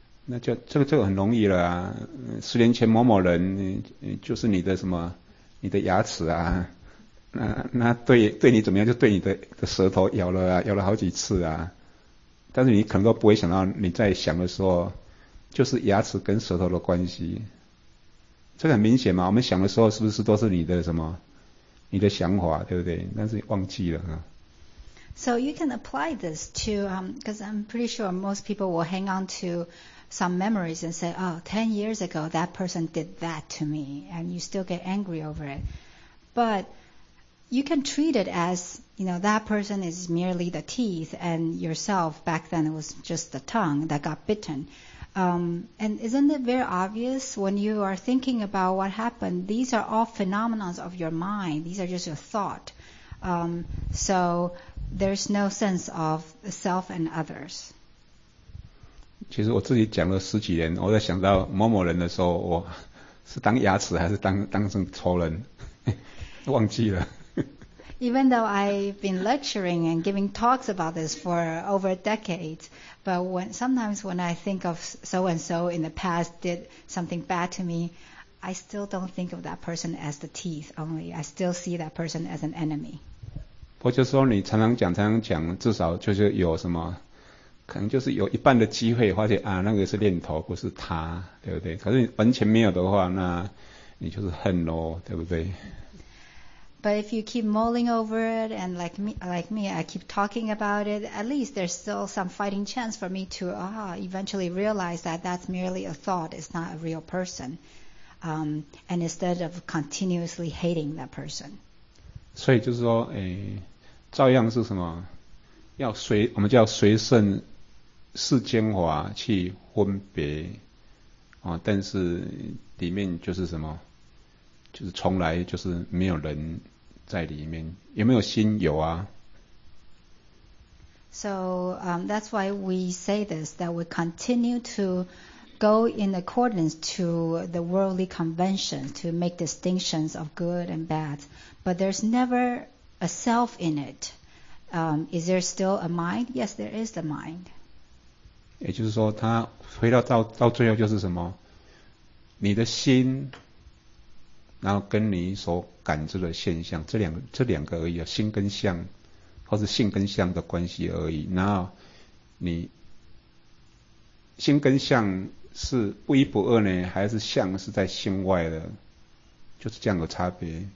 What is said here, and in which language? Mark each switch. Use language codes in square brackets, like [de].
[zh] 那就这个很容易了啊，十年前某某人就是你的什么，你的牙齿啊，那对你怎么样，就对你的舌头咬了啊，咬了好几次啊，但是你可能都不会想到你在想的时候就是牙齿跟舌头的关系，这个很明显嘛，我们想的时候是不是都是你的什么，你的想法，对不对？但是忘记了啊。 [en] So you can apply this to, because I'm pretty sure most people will hang on to some memories and say, oh, 10 years ago, that person did that to me, and you still get angry over it. But you can treat it as, you know, that person is merely the teeth, and yourself back then it was just the tongue that got bitten. And isn't it very obvious when you are thinking about what happened, these are all phenomena of your mind, these are just your thought. So there's no sense of self and others. [zh] 其实我自己讲了十几年，我在想到某某人的时候，我是当牙齿还是当成仇人，忘记了。 [en] Even though I've been lecturing and giving talks about this for over a decade, but sometimes when I think of so-and-so in the past did something bad to me, I still don't think of that person as the teeth only. I still see that person as an enemy. [zh] 我就说你常常讲，至少就是有什么，可能就是有一半的机会发现啊，那个是念头，不是他，对不对？可是完全没有的话，那你就是恨咯，对不对？ [en] But if you keep mulling over it, and like me, I keep talking about it, at least there's still some fighting chance for me to eventually realize that that's merely a thought, it's not a real person. And instead of continuously hating that person. [zh] 所以就是说，照样是什么？要随，我们叫随顺世间法去分别啊，但是里面就是什么，就是从来就是没有人在里面，有没有心有啊。 [en] So, that's why we say this, that we continue to go in accordance to the worldly convention to make distinctions of good and bad, but there's never a self in it. Is there still a mind? Yes, there is the mind. [zh] 也就是说他回到 到最后就是什么，你的心然后跟你所感知的现象，这两个而已，心跟相或是性跟相的关系而已，然后你心跟相是不一不二呢，还是相是在心外的，就是这样的差别。